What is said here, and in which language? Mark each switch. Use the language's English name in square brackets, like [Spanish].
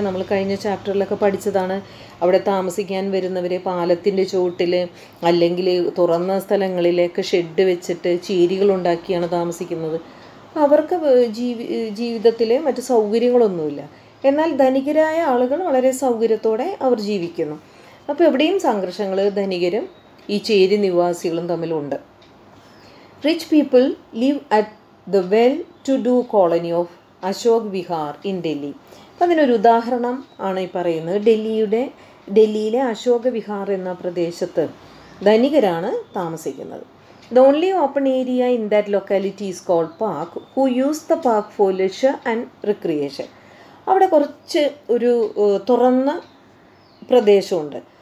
[Malayalam] നമ്മൾ കഴിഞ്ഞ ചാപ്റ്ററിലൊക്കെ പഠിച്ചതാണ് അവിടെ താമസിക്കാൻ വരുന്നവരെ പാലത്തിൻ്റെ ചുവട്ടിൽ അല്ലെങ്കിൽ തുറന്ന സ്ഥലങ്ങളിലൊക്കെ ഷെഡ് വെച്ചിട്ട് ചീരികൾ ഉണ്ടാക്കിയാണ് താമസിക്കുന്നത്. അവർക്ക് ജീവിതത്തിൽ മറ്റ് സൗകര്യങ്ങളൊന്നുമില്ല. എന്നാൽ ധനികരായ ആളുകൾ വളരെ സൗകര്യത്തോടെ അവർ ജീവിക്കുന്നു. അപ്പോൾ എവിടെയും സംഘർഷങ്ങൾ ധനികരും ഈ ചേരി നിവാസികളും തമ്മിലുണ്ട്. [English] Rich people live at the well-to-do colony of Ashok Vihar in Delhi. [Malayalam] അതിനൊരു ഉദാഹരണം ആണ് ഈ പറയുന്നത്. ഡൽഹിയിലെ അശോക വിഹാർ എന്ന പ്രദേശത്ത് ധനികരാണ് താമസിക്കുന്നത്. [English] The only open area in that locality is called park. Who use the park for leisure and recreation. [Malayalam] അവിടെ കുറച്ച് ഒരു തുറന്ന പ്രദേശമുണ്ട്.